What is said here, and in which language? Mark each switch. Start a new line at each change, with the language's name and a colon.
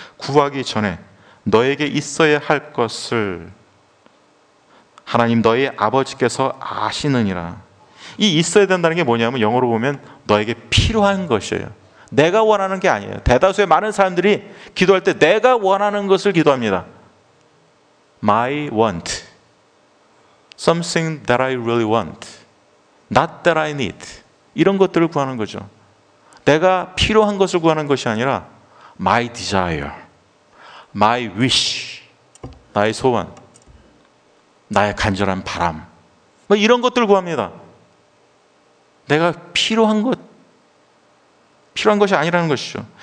Korean: 구하기 전에 너에게 있어야 할 것을 하나님 너희 아버지께서 아시느니라. 이 있어야 된다는 게 뭐냐면 영어로 보면 너에게 필요한 것이에요. 내가 원하는 게 아니에요. 대다수의 많은 사람들이 기도할 때 내가 원하는 것을 기도합니다.
English: My want. Something that I really want. Not that I need.
Korean: 이런 것들을 구하는 거죠. 내가 필요한 것을 구하는 것이 아니라
English: My desire. My wish.
Korean: 나의 소원. 나의 간절한 바람. 뭐 이런 것들을 구합니다. 내가 필요한 것이 아니라는 것이죠.